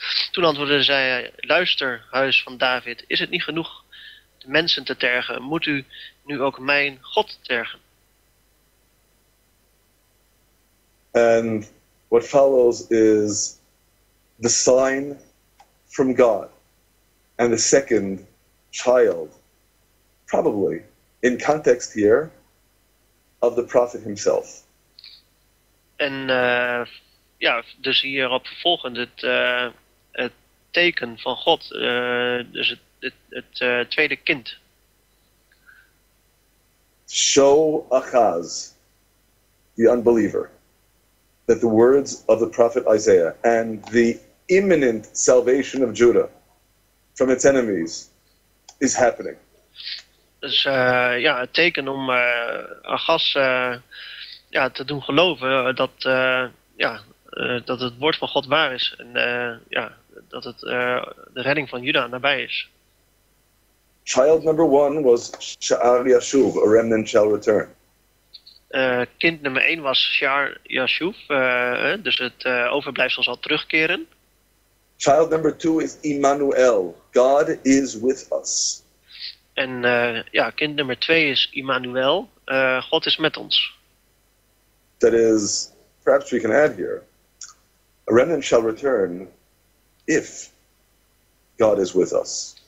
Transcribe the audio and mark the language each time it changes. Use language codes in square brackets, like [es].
[nl] Toen antwoordde zij, luister, huis van David, is het niet genoeg? Mensen te tergen, moet u nu ook mijn God tergen? [en] And what follows is the sign from God and the second child, probably in context here, of the prophet himself. [nl] En ja, dus hierop volgend het teken van God, dus het tweede kind. [en] Show Ahaz, the unbeliever, that the words of the prophet Isaiah and the imminent salvation of Judah from its enemies is happening. [nl] Dus ja, het teken om Ahaz ja, te doen geloven dat, ja, dat het woord van God waar is en ja, dat het de redding van Juda nabij is. [en] Child number one was Sha'ar Yashuv, a remnant shall return. [nl] Kind nummer één was Sha'ar Yashuv, dus het overblijfsel zal terugkeren. [en] Child number two is Immanuel, God is with us. [nl] En ja, kind nummer twee is Immanuel, God is met ons. [en] That is, perhaps we can add here, a remnant shall return if God is with us.